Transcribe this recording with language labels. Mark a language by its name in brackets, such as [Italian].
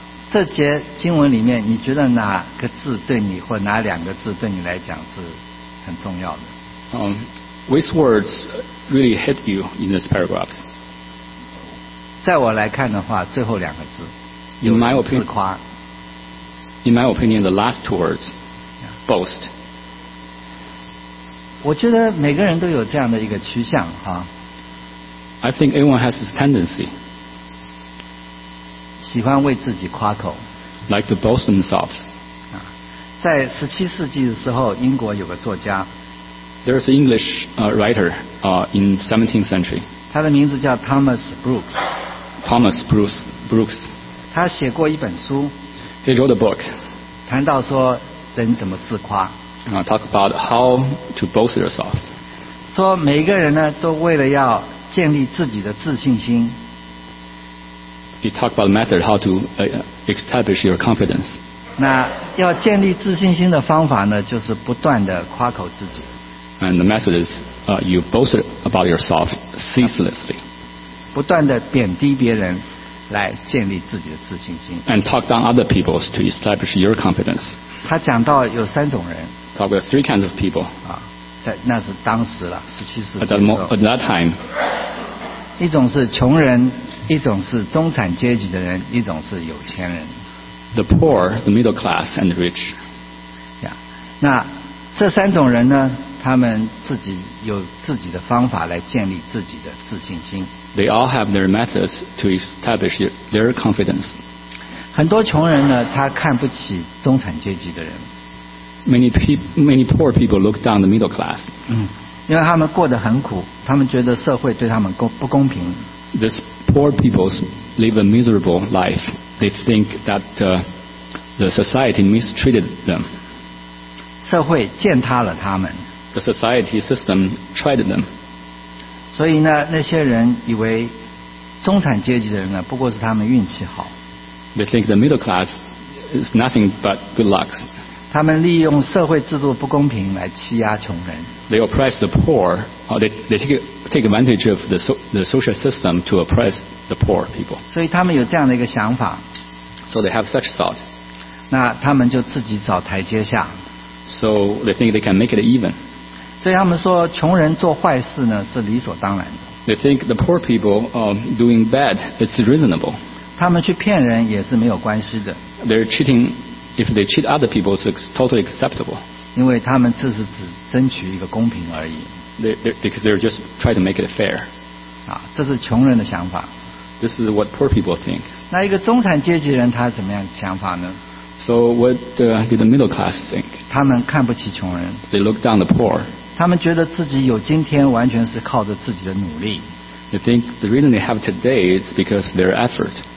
[Chinese] 这节经文里面，你觉得哪个字对你，或哪两个字对你来讲是很重要的？ [English] Which words really hit you in these paragraphs? [Chinese] 在我来看的话，最后两个字 [English] ，in my opinion, [Chinese] 自夸。 [English] In my opinion, the last two words, boast. [Chinese] 我觉得每个人都有这样的一个趋向，哈。 [English] I think everyone has this tendency. [Chinese] 喜欢为自己夸口。 [English] Like to boast themselves. [Chinese] 在十七世纪的时候，英国有个作家。 [English] There is an English writer in 17th century. [Chinese] 他的名字叫 Thomas Brooks. [English] Thomas Brooks. [Chinese] 他写过一本书。 [English] He wrote a book. [Chinese] 谈到说人怎么自夸。 [English] Talk about how to boast yourself. [Chinese] 说每一个人呢都为了要建立自己的自信心。 [English] He talked about the method how to establish your confidence. [Chinese] 那要建立自信心的方法呢，就是不断的夸口自己。 [English] And the method is, you boast about yourself ceaselessly. [Chinese] 不断地贬低别人，来建立自己的自信心。 [English] And talk down other people's to establish your confidence. [Chinese] 他讲到有三种人。 [English] Talk about three kinds of people. [Chinese] 啊，在那是当时了，十七世纪。 [English] At that time. [Chinese] 一种是穷人，一种是中产阶级的人，一种是有钱人。 [English] The poor, the middle class, and the rich. [Chinese] 呀、yeah. ，那这三种人呢？他们自己有自己的方法来建立自己的自信心。 [English] They all have their methods to establish their confidence. [Chinese] 很多穷人呢，他看不起中产阶级的人。 [English] Many poor people look down the middle class. [Chinese] 嗯，因为他们过得很苦，他们觉得社会对他们不公平。 [English] These poor people live a miserable life. They think that the society mistreated them. [Chinese] 社会践踏了他们。 [English] The society system tried them. [Chinese] 所以呢，那些人以为中产阶级的人呢，不过是他们运气好。 [English] They think the middle class is nothing but good luck. [Chinese] 他们利用社会制度不公平来欺压穷人。 [English] They oppress the poor, or they take advantage of the social system to oppress the poor people. [Chinese] 所以他们有这样的一个想法。 [English] So they have such thought. [Chinese] 那他们就自己找台阶下。 [English] So they think they can make it even. [Chinese] 所以他们说穷人做坏事呢是理所当然的。 [English] They think the poor people doing bad, it's reasonable. [Chinese] 他们去骗人也是没有关系的。 [English] They're cheating, if they cheat other people, it's totally acceptable. [Chinese] 因为他们这是只争取一个公平而已。 [English] Because they're just trying to make it fair. [Chinese] 啊，这是穷人的想法。 [English] This is what poor people think. [Chinese] 那一个中产阶级人他怎么样想法呢？ [English] So what did the middle class think? [Chinese] 他们看不起穷人。 [English] They look down the poor. [Chinese] 他们觉得自己有今天完全是靠着自己的努力。 [English] They think the reason they have today is because of their effort.